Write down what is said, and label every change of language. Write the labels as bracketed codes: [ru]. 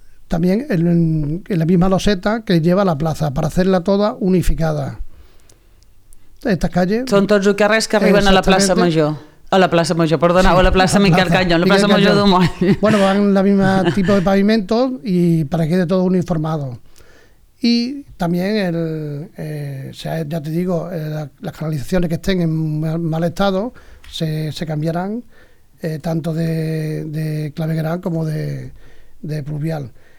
[es] también en la misma loseta que lleva la plaza, para hacerla toda unificada. Estas calles... [ca] Són tots els carrers que arriben a la plaça Major. A la plaça Major, perdona, sí, o a la plaça Miquel Cañón, la plaça Major del Moll. [es] Bueno, van la misma tipo de pavimento y para que quede todo uniformado. Y también, ya te digo, las canalizaciones que estén en mal estado se cambiarán, tanto de Clavegueral como de Pluvial.